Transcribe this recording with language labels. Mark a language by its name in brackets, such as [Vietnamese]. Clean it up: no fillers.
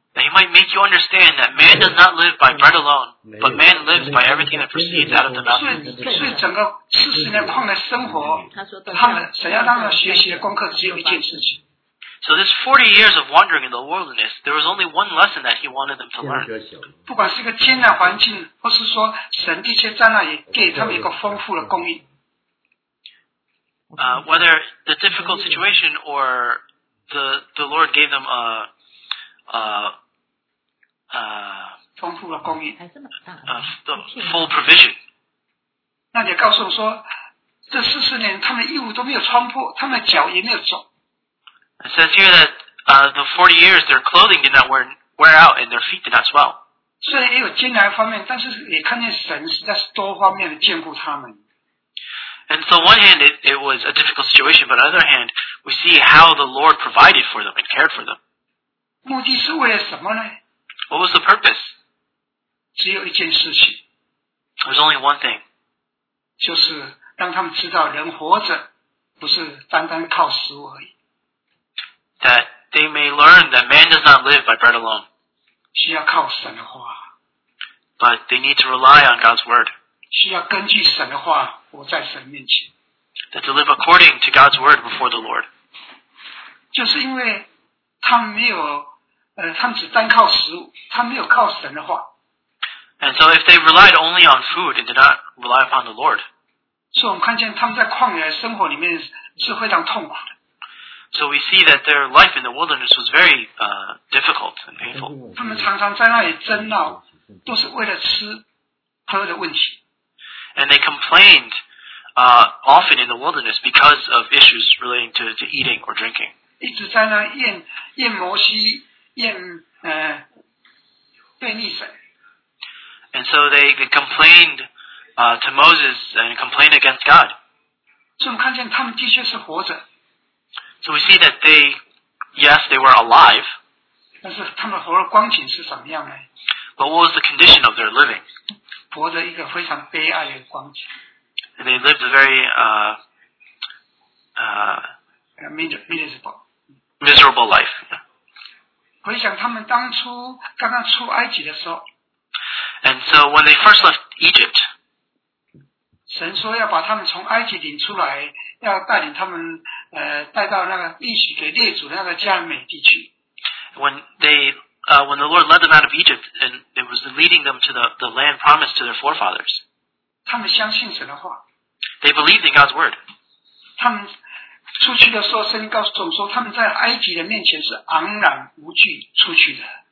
[English] That he might make you understand that man does not live by bread alone, but man lives by everything that proceeds out of the mouth. [Chinese] 所以整个四十年旷野生活，他们想要让他们学习的功课只有一件事情。 [English] So this 40 years of wandering in the wilderness, there was only one lesson that he wanted them to learn. [Chinese] 不管是一个艰难环境，或是说神的确在那里给他们一个丰富的供应。 [English] Whether the difficult situation or the Lord gave them a full provision. [Chinese] 那你告诉我说，这四十年他们衣服都没有穿破，他们脚也没有肿。 [English] It says here that the 40 years their clothing did not wear out and their feet did not swell. [Chinese] 虽然也有艰难方面，但是也看见神实在是多方面的眷顾他们。 [English] And so on one hand, it was a difficult situation, but on the other hand, we see how the Lord provided for them and cared for them. [Chinese] 目的是为了什么呢？ [English] What was the purpose? [Chinese] 只有一件事情。 [English] There's only one thing. [Chinese] 就是让他们知道人活着不是单单靠食物而已。 [English] That they may learn that man does not live by bread alone. [Chinese] 需要靠神的话。 [English] But they need to rely on God's word. [Chinese] 需要根据神的话活在神面前。 [English] That to live according to God's word before the Lord. [Chinese] 就是因为他们没有，他们只单靠食物，他们没有靠神的话。 [English] And so if they relied only on food and did not rely upon the Lord. [Chinese] 所以我们看见他们在旷野生活里面是非常痛苦的。 [English] So we see that their life in the wilderness was very difficult and painful. [Chinese] 他们常常在那里争闹，都是为了吃喝的问题。 [English] And they complained often in the wilderness because of issues relating to eating or drinking. [Chinese] 一直在那厌摩西，厌被逆神。 [English] And so they complained to Moses and complained against God. [Chinese] 所以我们看见他们的确是活着。 [English] So we see that they, yes, they were alive. [Chinese] 但是他们活的光景是什么样呢？ [English] But what was the condition of their living? [Chinese] 活着一个非常悲哀的光景。 [English] And they lived a very, miserable life. [Chinese] 回想他们当初刚刚出埃及的时候。 [English] And so when they first left Egypt, [Chinese] 神说要把他们从埃及领出来，要带领他们带到那个应许给列祖的那个迦南美地区。 [English] When the Lord led them out of Egypt, and it was leading them to the land promised to their forefathers. [Chinese] 他们相信神的话。 [English] They believed in God's word. [Chinese] 他们出去的时候，神告诉他们说，他们在埃及的面前是昂然无惧出去的。